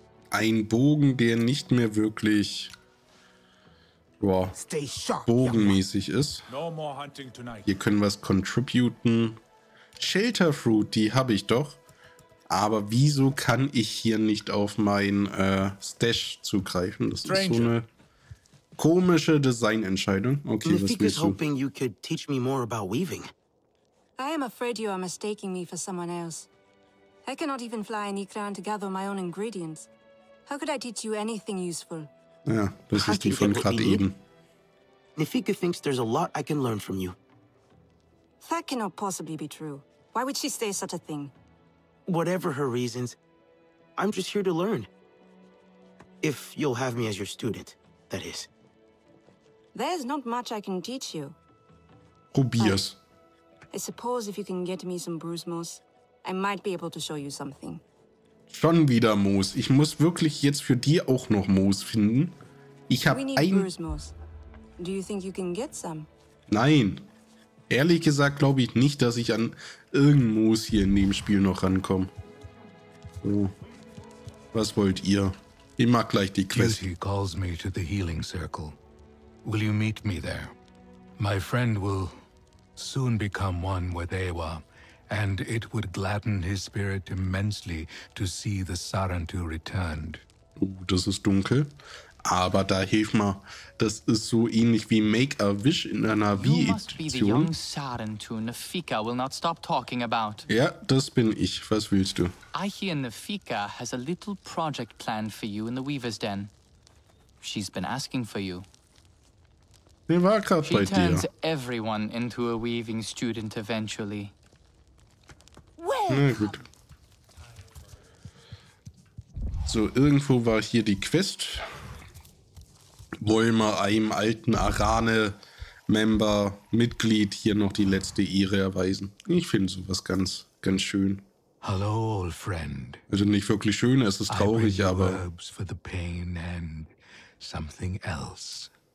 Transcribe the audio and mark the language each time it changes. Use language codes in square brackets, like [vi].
[de] Ein Bogen, der nicht mehr wirklich bogenmäßig ist. Wir können was contributen. Shelterfruit, die habe ich doch. Aber wieso kann ich hier nicht auf mein Stash zugreifen? Das Stranger. Ist so eine komische Designentscheidung. Okay, was willst du? [en] Hoping you could teach me more about weaving. I am afraid you are mistaking me for someone else. I cannot even fly any clan to gather my own ingredients. How could I teach you anything useful? [de] Ja, das ist die von gerade eben. [en] Nafika thinks there's a lot I can learn from you. That cannot possibly be true. Why would she say such a thing? Whatever her reasons, I'm just here to learn. If you'll have me as your student, that is. There's not much I can teach you. Rubias. I suppose if you can get me some bruise moss, I might be able to show you something. [de] Schon wieder Moos. Ich muss wirklich jetzt für die auch noch Moos finden. Ich habe ein [en] bruise moss. Do you think you can get some? [de] Nein. Ehrlich gesagt glaube ich nicht, dass ich an irgendein Moos hier in dem Spiel noch rankomme. So. Was wollt ihr? Ich mag gleich die Quest. [en] Duty calls me to the healing circle. Will you meet me there? My friend will soon become one with Ewa, and it would gladden his spirit immensely to see the Sarentu returned. [de] Das ist dunkel. Aber da hilft mir, das ist so ähnlich wie Make-A-Wish in einer Wii-Edition. [en] Nafika will not stop talking about. [de] Ja, das bin ich. Was willst du? [en] I hear Nafika has a little project planned for you in the Weaver's Den. She's been asking for you. [de] Sie war gerade bei dir. [en] She turns everyone into a weaving student eventually. [de] Na gut. So, irgendwo war hier die Quest. Wollen wir einem alten Arane-Member, Mitglied hier noch die letzte Ehre erweisen? Ich finde sowas ganz, ganz schön. [en] Hallo, old friend. [de] Also nicht wirklich schön, es ist traurig, aber. [en] For the pain and something else.